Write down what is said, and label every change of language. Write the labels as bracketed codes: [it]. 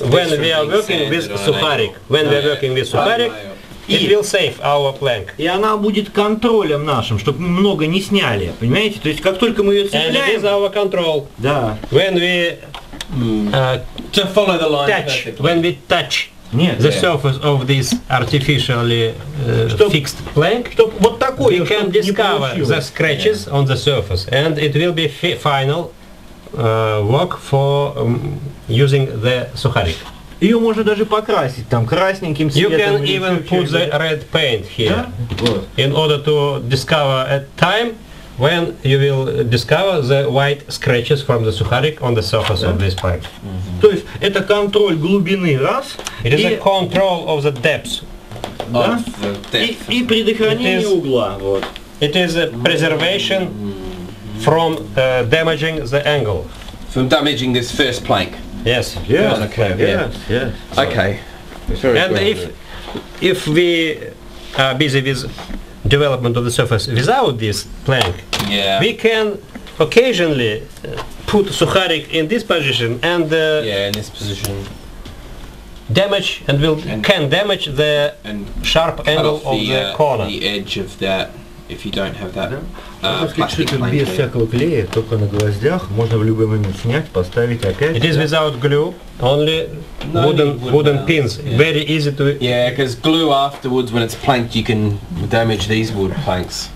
[en] when we are working with Suharik, when no, we are yeah. working with Suharik, it will save our plank. [ru] И она будет контролем нашим, чтобы мы много не сняли, понимаете? То есть как только мы ее цепляем... [en] And it is our control. [ru] Да. [en] When we... To follow the line touch, perfectly. When we touch [ru] Нет, [en] the yeah. surface of this artificially [ru] чтоб, [en] fixed plank, [ru] чтоб вот такое, [en] we can discover the scratches yeah. on the surface. And it will be final work for using the Suharik. [ru] Ее можно даже покрасить там красненьким цветом. [en] You can even put the red paint here, [ru] да? [en] in order to discover a time when you will discover the white scratches from the сухарик on the surface да. of this plank. Mm-hmm. [ru] То есть это контроль глубины раз. [en] It is a control of the depth. [ru] Да? [en] Of the depth. [ru] И предохранение [en] it is, [ru] угла. Вот. [en] It is a preservation from damaging the angle. From damaging this first plank. Yes. Yes. Okay. Yes. Yes. So okay. And if we are busy with development of the surface without this plank, yeah. we can occasionally put Suharik in this position and in this position damage and will and can damage the and sharp angle off of the corner, the edge of that. If you don't have that. [ru] Без всякого клея, только на гвоздях, можно в любой момент снять, поставить опять. [en] It is without glue, only wooden pins. Yeah. Very easy to. Yeah, because glue afterwards, when it's planked, you can damage these wood planks.